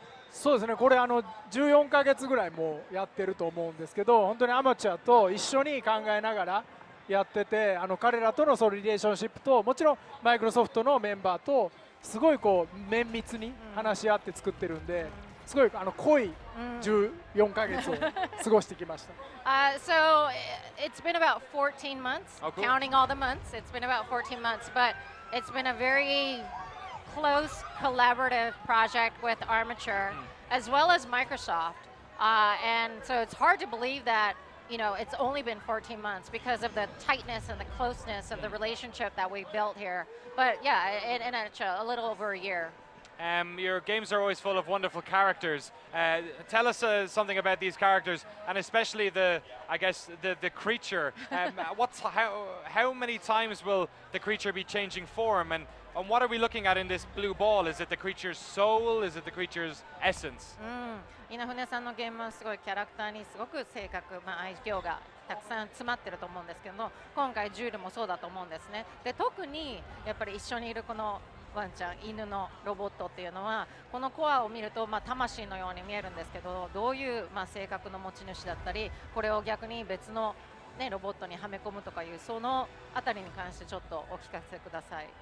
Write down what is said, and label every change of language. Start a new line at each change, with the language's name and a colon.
Japanese: そうですね、これ14ヶ月ぐらいもうやってると思うんですけど、本当にアマチュアと一緒に考えながらやってて、彼らとのそのリレーションシップと、もちろんマイクロソフトのメンバーとすごいこう綿密に話し合って作ってるんで、すごい濃い14ヶ月を過ごしてきました。
English: So it's been about 14 months, counting all the months. It's been about 14 months, but it's been a very close collaborative project with Armature as well as Microsoft. And so it's hard to believe that. It's only been 14 months because of the tightness and the closeness of the relationship that we built here. But yeah, in a little over a year. Your games are always full of wonderful characters. Tell us something about these characters, and especially the creature. how many times will the creature be changing form? And what are we looking at in this blue ball? Is it the creature's soul? Is it the creature's essence?
Japanese: Inafune-san のゲームはすごいキャラクターにすごく性格、まあ、愛嬌がたくさん詰まってると思うんですけど、今回ジュールもそうだと思うんですね。で、特にやっぱり一緒にいるこのワンちゃん、犬のロボットっていうのは、このコアを見ると、まあ、魂のように見えるんですけど、どういう、まあ、性格の持ち主だったり、これを逆に別の、ね、ロボットにはめ込むとかいう、そのあたりに関してちょっとお聞かせください。